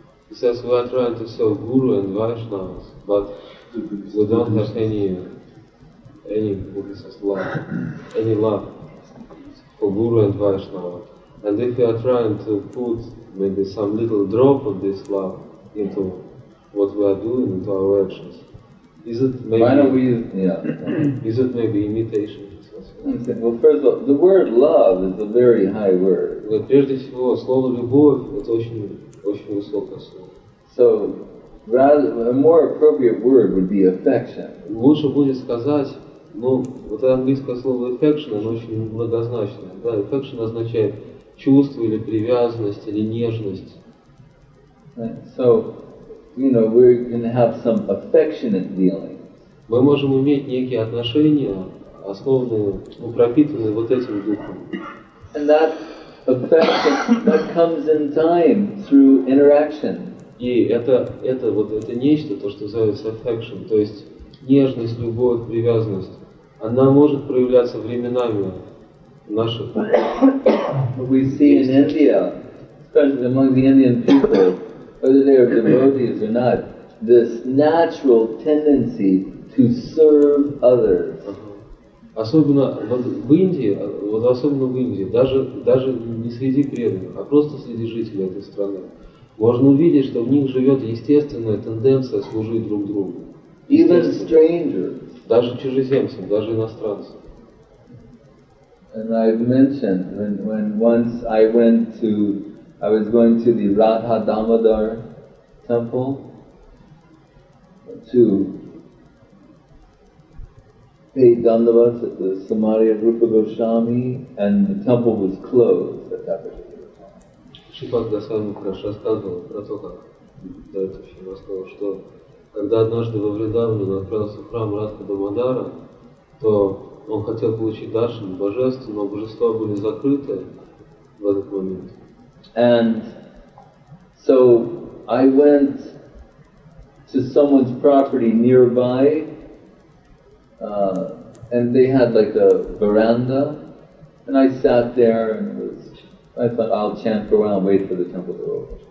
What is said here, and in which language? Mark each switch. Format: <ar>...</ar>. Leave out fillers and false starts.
<ru>Сейчас мы пытаемся это все в гуру и вайшнава, но мы не имеем никакой буддийской славы, никакой любви к гуру и вайшнава. И если мы пытаемся вставить, может быть, какой-то дроп этой любви,</ru> <en>into what we are doing, into our actions. Is it maybe... Why don't we... Yeah. Is it maybe imitation? Well, first of all, the word love is a very high word.</en> <ru>Но прежде всего, слово любовь – это очень, очень высокое слово.</ru> <en>So, rather, a more appropriate word would be affection.</en> <ru>Лучше будет сказать, ну, вот это английское слово affection, оно очень многозначное. Да, affection означает чувство или привязанность, или нежность.</ru> <en>So, you know, we can have some affectionate dealings.</en> <ru>Мы можем иметь некие отношения, основанные, ну, пропитанные вот этим духом.</ru> <en>And that affection that comes in time through interaction.</en> <ru>И это вот это нечто, то, что называется affection, то есть нежность, любовь, привязанность, она может проявляться временами наших.</ru> <en>We see in India, especially among the Indian people, whether they are devotees or not, this natural tendency to serve others.</en> <ru>Особенно вот в Индии, вот особенно в Индии, даже не среди преданных, а просто среди жителей этой страны, можно увидеть, что в них живет естественная тенденция служить друг другу.</ru> <en>Even strangers.</en> <ru>Даже чужеземцам, даже иностранцам.</ru> <en>And I've mentioned when once I went to I was going to the Radha Damodar temple to pay dandavas at the Samadhi of Rupa Goswami, and the temple was closed at that particular time.</en> <ru>Шипад Гасвами хорошо рассказывал про то, как до этого еще рассказывал, что когда однажды во Вридаване он отправился в храм Радха Дамодара, то он хотел получить даршан божеств, но божества были закрыты в этот момент.</ru> <en>And so I went to someone's property nearby, and they had like a veranda, and I sat there and I thought I'll chant for a while and wait for the temple to open.</en>